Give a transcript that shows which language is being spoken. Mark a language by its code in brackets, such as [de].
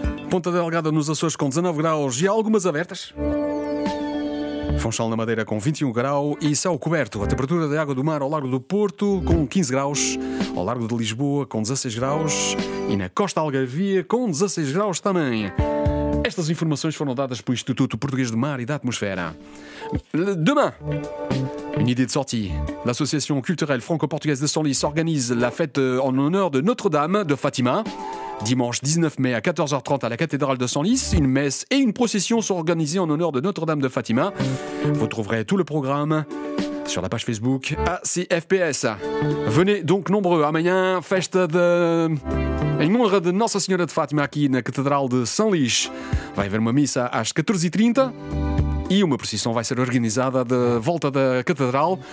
[pt] Ponta Delgada nos Açores com 19 graus e algumas abertas. Funchal na Madeira com 21 graus e céu coberto. A temperatura da água do mar ao largo do Porto com 15 graus, ao largo de Lisboa com 16 graus e na Costa Algarvia com 16 graus também. Estas informações foram dadas pelo Instituto Português do Mar e da Atmosfera. [fr] Demain, une idée de sortie. L'association culturelle franco-portugaise de Senlis organise la fête en honneur de Notre-Dame de Fatima. Dimanche 19 mai à 14h30 à la cathédrale de Senlis, une messe et une procession sont organisées en honneur de Notre-Dame de Fatima. Vous trouverez tout le programme sur la page Facebook ACFPS. Venez donc nombreux. [pt] Amanhã, festa de... em honra de Nossa Senhora de Fátima aqui na Catedral de São Lix. Vai haver uma missa às 14h30 e uma procissão vai ser organizada de volta da Catedral.